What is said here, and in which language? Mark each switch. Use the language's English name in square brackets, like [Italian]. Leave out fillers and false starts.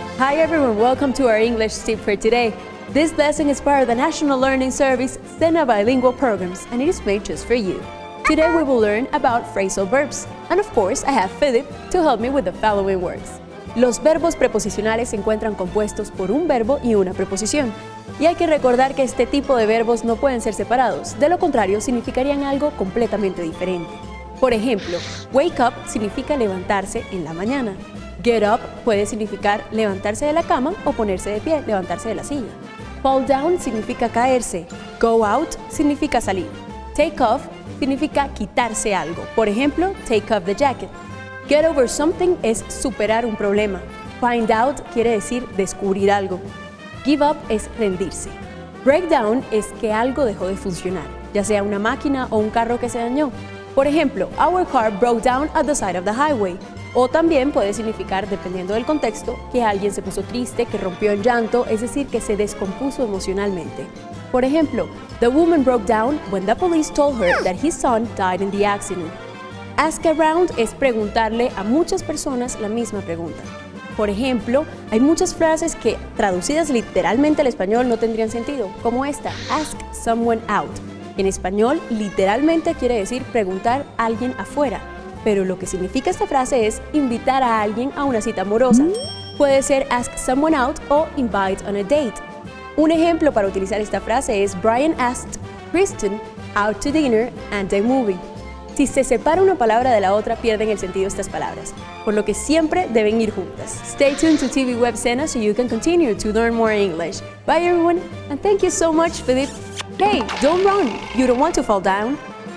[English] Hi everyone, welcome to our English tip for today. This lesson is part of the National Learning Service SENA Bilingual Programs, and it is made just for you. Today we will learn about phrasal verbs, and of course I have Philip to help me with the following words. [Spanish] Los verbos preposicionales se encuentran compuestos por un verbo y una preposición. Y hay que recordar que este tipo de verbos no pueden ser separados, de lo contrario significarían algo completamente diferente. Por ejemplo, wake up significa levantarse en la mañana. Get up puede significar levantarse de la cama o ponerse de pie, levantarse de la silla. Fall down significa caerse. Go out significa salir. Take off significa quitarse algo. Por ejemplo, [English] take off the jacket. [Spanish] Get over something es superar un problema. Find out quiere decir descubrir algo. Give up es rendirse. Breakdown es que algo dejó de funcionar, ya sea una máquina o un carro que se dañó. Por ejemplo, [English] our car broke down at the side of the highway. [Spanish] O también puede significar, dependiendo del contexto, que alguien se puso triste, que rompió en llanto, es decir, que se descompuso emocionalmente. Por ejemplo, [English] the woman broke down when the police told her that his son died in the accident. [Spanish] Ask around es preguntarle a muchas personas la misma pregunta. Por ejemplo, hay muchas frases que, traducidas literalmente al español, no tendrían sentido, como esta, ask someone out. En español, literalmente quiere decir preguntar a alguien afuera. Pero lo que significa esta frase es invitar a alguien a una cita amorosa. Puede ser [English] ask someone out o invite on a date. [Spanish] Un ejemplo para utilizar esta frase es [English] Brian asked Kristen out to dinner and a movie. [Spanish] Si se separa una palabra de la otra, pierden el sentido estas palabras, por lo que siempre deben ir juntas. [English] Stay tuned to TV Web Sena so you can continue to learn more English. Bye everyone, and thank you so much, Philip. Hey, don't run. You don't want to fall down.